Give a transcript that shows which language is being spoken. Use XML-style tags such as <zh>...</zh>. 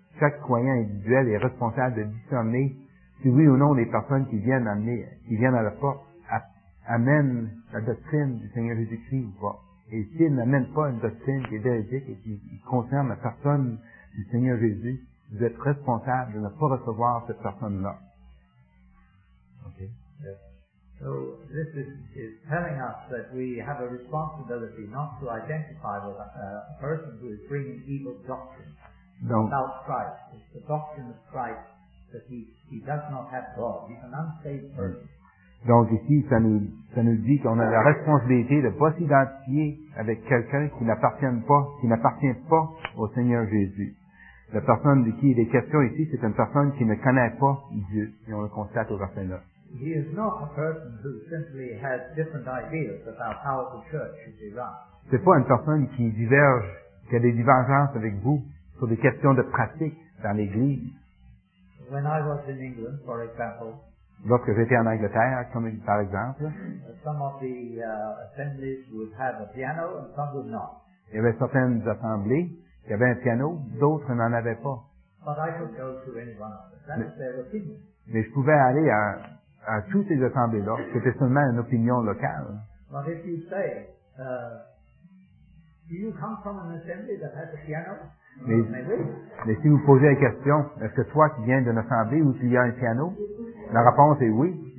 <fr>Chaque croyant individuel est responsable de discerner si oui ou non les personnes qui viennent à la porte amènent la doctrine du Seigneur Jésus-Christ ou pas. Et s'ils n'amènent pas une doctrine qui est véridique et qui concerne la personne du Seigneur Jésus, vous êtes responsable de ne pas recevoir cette personne-là. Okay.</fr> <en>So this is telling us that we have a responsibility not to identify with a person who is bringing evil doctrine about Christ. It's the doctrine of Christ that he does not have God. He's an unsaved person.</en> <fr>Donc ici, ça nous dit qu'on a la responsabilité de ne pas s'identifier avec quelqu'un qui n'appartient pas au Seigneur Jésus. La personne de qui il est question ici, c'est une personne qui ne connaît pas Dieu. Et on le constate au verset 9.</fr> <en>He is not a person who simply has different ideas about how the church should be run.</en> <fr>C'est pas une personne qui a des divergences avec vous sur des questions de pratique dans l'Église.</fr> <en>When I was in England, for example,</en> <fr>lorsque j'étais en Angleterre, par exemple,</fr> <en>some of the assemblies would have a piano and some would not.</en> <fr>Il y avait certaines assemblées qui avaient un piano, d'autres n'en avaient pas.</fr> <en>But I could go to any one of them. That is their opinion.</en> <fr>Mais je pouvais aller à toutes ces assemblées-là, c'était seulement une opinion locale.</fr> <en>But if you say, Do you come from an assembly that has a piano?</en> <fr>Mais si vous posez la question, est-ce que toi qui viens d'une assemblée où il y a un piano? La réponse est oui.</fr>